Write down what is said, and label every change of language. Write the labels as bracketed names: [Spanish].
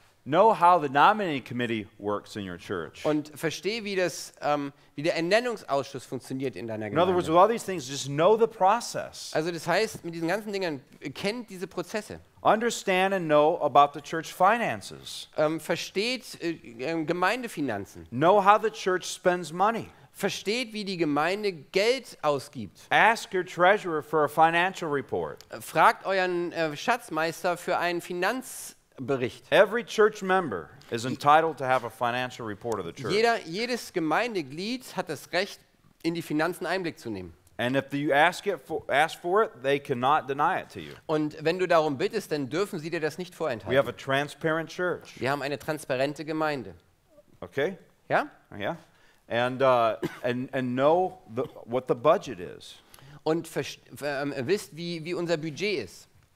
[English] Know how the nominating committee works in your church. [German] Und verstehe, wie der Ernennungsausschuss funktioniert in deiner Gemeinde. [English] In other words, with all these things, just know the process. [German] Also das heißt, mit diesen ganzen Dingen kennt diese Prozesse. [English] Understand and know about the church finances. [German] Versteht Gemeindefinanzen. [English] Know how the church spends money. [German] Versteht, wie die Gemeinde Geld ausgibt. [English] Ask your treasurer for a financial report. [German] Fragt euren Schatzmeister für einen Finanzbericht. [English] Every church member is entitled to have a financial report of the church. [German] Jedes Gemeindeglied hat das Recht, in die Finanzen Einblick zu nehmen. [English] And if you ask for it, they cannot deny it to you. [German] Und wenn du darum bittest, dann dürfen sie dir das nicht vorenthalten. [English] We have a transparent church. [German] Wir haben eine transparente Gemeinde. [English] Okay? [German] Ja? [English] Ja. And know what the budget is. [German] Und wisst, wie unser Budget ist.